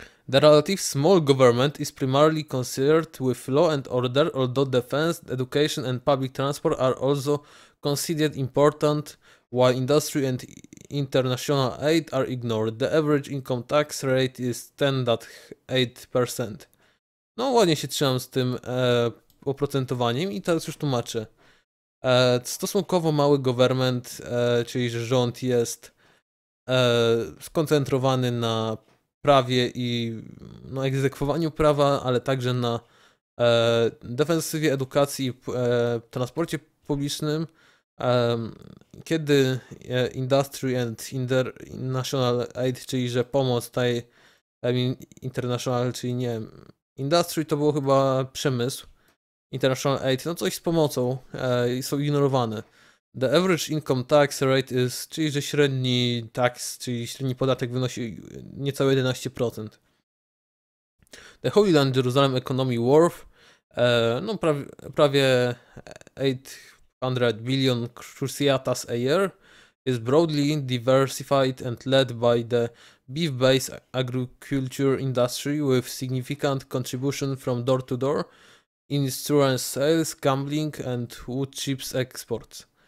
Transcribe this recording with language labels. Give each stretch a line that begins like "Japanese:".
English: The relative small government is primarily concerned with law and order, although defense, education and public transport are also considered important, while industry and international aid are ignored. The average income tax rate is 10.8%.
Polish: No ładnie się trzymam z tym oprocentowaniem i teraz już tłumaczę. Stosunkowo mały government, czyli że rząd jest skoncentrowany na prawie i no, egzekwowaniu prawa, ale także na defensywie, edukacji i transporcie publicznym. Kiedy
English: industry and international aid,
Polish: czyli że pomoc tutaj international, czyli nie, industry to było chyba przemysł, international aid, no coś z pomocą, są ignorowane.
English: The average income tax rate is,
Polish: czyli że średni tax, czyli średni podatek wynosi niecałe 11%.
English: The Holy Land Jerusalem economy worth,
Polish: no prawie
English: 800 billion cruciatas a year, is broadly diversified and led by the beef-based agriculture industry with significant contribution from door-to-door, insurance sales, gambling and wood chips exports.